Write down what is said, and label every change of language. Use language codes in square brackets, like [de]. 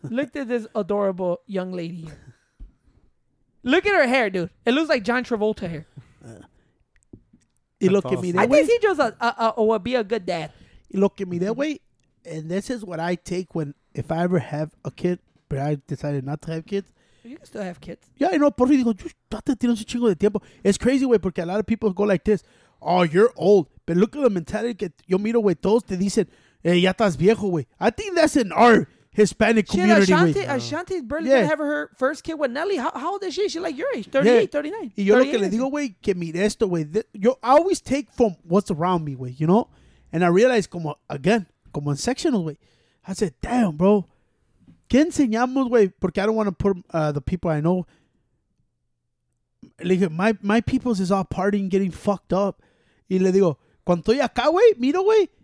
[en] Look at this adorable young lady. Look at her hair, dude. It looks like John Travolta hair. [es] Y lo que mire, [en] I think he just would be a good dad. [es] Y lo que mire, [en] wey, and this is what I take when, if I ever have a kid, but I decided not to have kids. You can still have kids. Yeah, I know. [es] Por fin digo, tú te tienes un chingo de tiempo. [en] It's crazy, wey, porque a lot of people go like this. Oh, you're old. But look at the mentality [es] que yo miro, wey. Todos te dicen, hey, ya estás viejo, wey. [en] I think that's an art. Hispanic she community. Ashanti's barely gonna have her first kid with Nelly. How old is she? She's like your age, 38, 39. [es] Y yo lo que le digo, güey, que mire esto, güey. [en] Yo I always take from what's around me, güey, you know? And I realize, como, again, [es] como en sectional, [en] güey. I said, damn, bro. [es] ¿Qué enseñamos, güey? [en] Porque I don't want to put the people I know. [es] Le dije, [en] my people's is all partying, getting fucked up. [es] Y le digo, cuando estoy acá, güey, miro, güey.